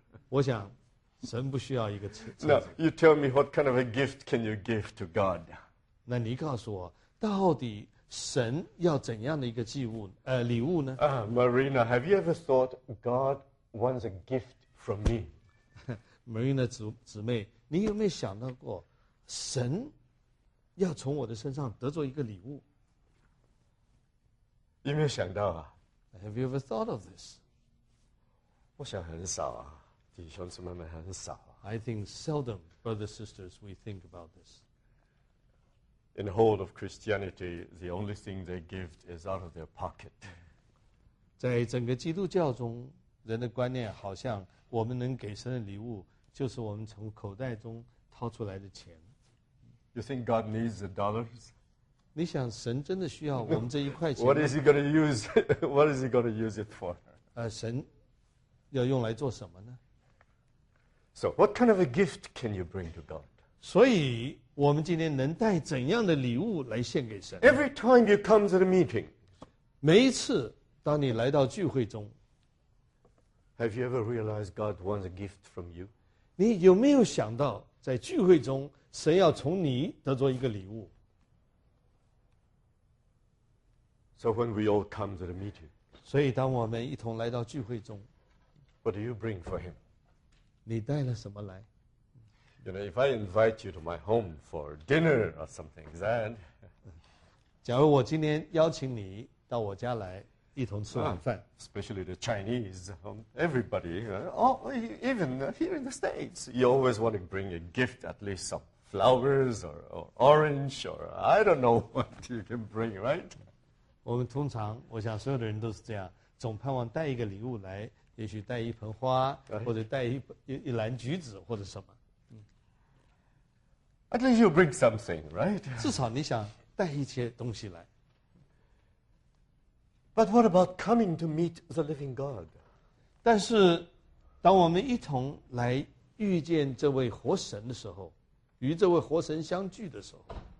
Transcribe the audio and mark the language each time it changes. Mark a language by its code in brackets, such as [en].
[zh] 我想神不需要一个车子。 [en] Now, you tell me what kind of a gift can you give to God? [zh] 那你告诉我，到底神要怎样的一个祭物礼物呢？ [en] Marina, have you ever thought God wants a gift from me? [zh] Marina 姊妹，你有没有想到过神要从我的身上得着一个礼物？有没有想到啊？ [en] Have you ever thought of this? [zh] 我想很少啊，弟兄姊妹们很少啊。 [en] I think seldom, brothers and sisters, we think about this. In the whole of Christianity, the only thing they give is out of their pocket. [zh] 在整个基督教中，人的观念好像我们能给神的礼物就是我们从口袋中掏出来的钱。 [en] You think God needs the dollars? [zh] 你想神真的需要我们这一块钱？ [en] What is he going to use? What is he going to use it for? [zh] 神要用来做什么呢？ [en] So, what kind of a gift can you bring to God? [zh] 所以我们今天能带怎样的礼物来献给神？ [en] Every time you come to the meeting, [zh] 每一次当你来到聚会中， [en] Have you ever realized God wants a gift from you? [zh] 你有没有想到在聚会中神要从你得着一个礼物？ [en] So when we all come to the meeting, [zh] 所以当我们一同来到聚会中， [en] What do you bring for him? [zh] 你带了什么来？ [en] You know, if I invite you to my home for dinner or something, then [zh] 假如我今天邀请你到我家来一同吃晚饭， [en] especially the Chinese, everybody, even here in the States, you always want to bring a gift, at least some flowers or orange, or I don't know what you can bring, right? [zh] 我们通常，我想所有的人都是这样，总盼望带一个礼物来，也许带一盆花，或者带一篮橘子，或者什么。 [en] At least you bring something, right? [zh] 至少你想带一些东西来。 [en] But what about coming to meet the living God? [zh] 但是当我们一同来遇见这位活神的时候，与这位活神相聚的时候，